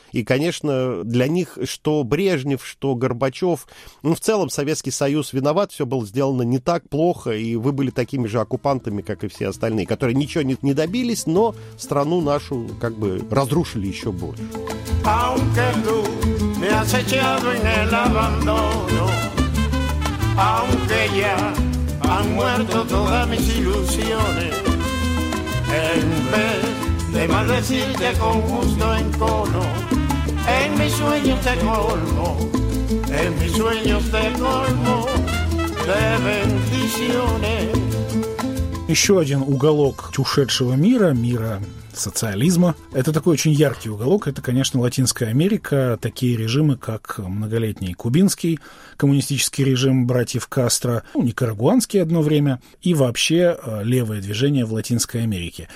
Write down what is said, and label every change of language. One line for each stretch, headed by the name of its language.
Russian: И, конечно, для них что Брежнев, что Горбачев, ну, в целом Советский Союз виноват, все было сделано не так плохо, и вы были такими же оккупантами, как и все остальные, которые ничего не добились, но страну нашу как бы разрушили еще больше.
Spanish: Me has echado en el abandono, aunque ya han muerto todas mis ilusiones. En vez de maldecirte con justo encono, en mis sueños te colmo, en mis sueños te colmo de bendiciones.
Russian: Еще один уголок ушедшего мира, мира социализма. Это такой очень яркий уголок. Это, конечно, Латинская Америка. Такие режимы, как многолетний кубинский коммунистический режим братьев Кастро, ну, никарагуанский одно время, и вообще левое движение в Латинской Америке.